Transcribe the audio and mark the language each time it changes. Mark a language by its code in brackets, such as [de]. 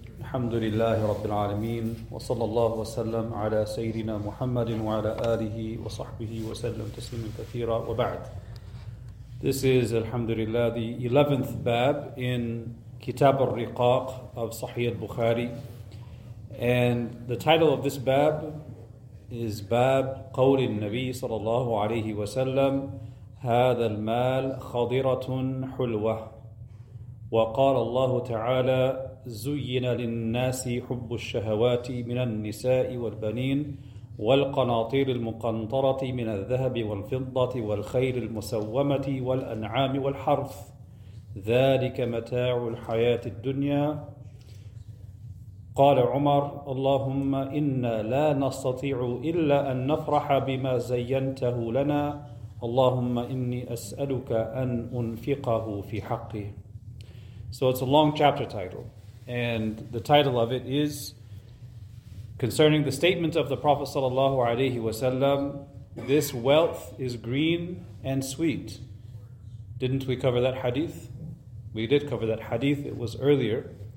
[ar] الحمد لله رب العالمين، وصلى الله وسلم على سيدنا محمد وعلى آله وصحبه وسلم تسليما كثيرا. [en] وبعد، this is alhamdulillah the 11th bab in Kitab al-Riqaq of Sahih al-Bukhari, and the title of this bab is bab [ar] قول النبي صلى الله عليه وسلم هذا المال خضرة حلوة. وقال الله تعالى زين للناس حب الشهوات من النساء والبنين والقناطير المقنطرة من الذهب والفضة والخيل المسومة والأنعام والحرث ذلك متاع الحياة الدنيا. قال عمر اللهم إنا لا نستطيع إلا أن نفرح بما زينته لنا، اللهم إني أسألك أن أنفقه في حقه. [en] So it's a long chapter title, and the title of it is concerning the statement of the Prophet sallallahu alaihi wasallam, this wealth is green and sweet. Didn't we cover that hadith? We did cover that hadith, it was earlier.